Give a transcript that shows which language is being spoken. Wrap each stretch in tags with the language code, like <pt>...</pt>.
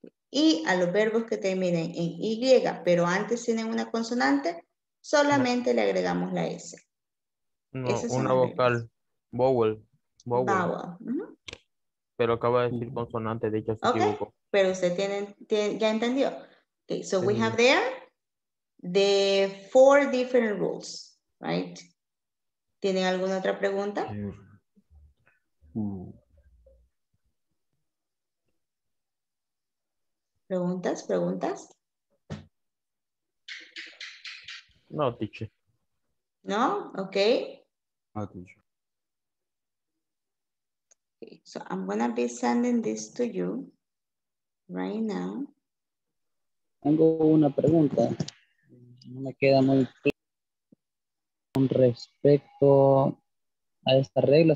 <es>Y a los verbos que terminan en Y, pero antes tienen una consonante, solamente le agregamos la S. No, una vocal, vowel. Vowel. Pero acaba de decir consonante, de hecho se equivocó. Pero usted ya entendió.</es> <en>Okay, so we have there the four different rules, right?</en> <es>¿Tienen alguna otra pregunta? ¿Preguntas?</es> <en>No, teacher. No, okay. No, teacher. So I'm going to be sending this to you right now.</en> <es>Tengo una pregunta. No me queda muy claro con respecto a esta regla.</es>